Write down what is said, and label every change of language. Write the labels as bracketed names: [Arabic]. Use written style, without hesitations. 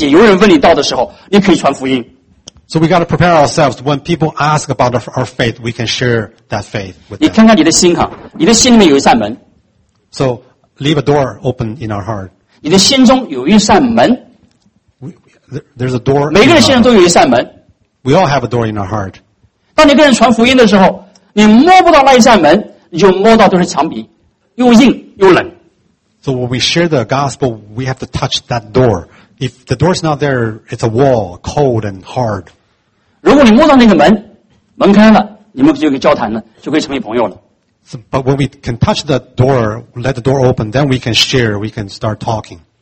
[Chinese] 所以弟兄姐妹，我们要常常预备自己。有人问你道的时候，你可以传福音。 [English] So we got to prepare ourselves. When people ask about our faith, we can share that faith with them. [Chinese] 你看看你的心哈，你的心里面有一扇门。 [English] So leave a door open in our heart. [Chinese] 你的心中有一扇门。 [English] There's a door. [Chinese] 每个人心中都有一扇门。 [English] We all have a door in our heart. [Chinese] 当你跟人传福音的时候，你摸不到那一扇门，你就摸到都是墙壁，又硬又冷。So [English] when we share the gospel, we have to touch that door. If the door's not there, it's a wall, cold and hard. [Chinese] 如果你摸到那个门，门开了，你们就可以交谈了，就可以成为朋友了。So, [English] but when we can touch the door, let the door open, then we can share, we can start talking.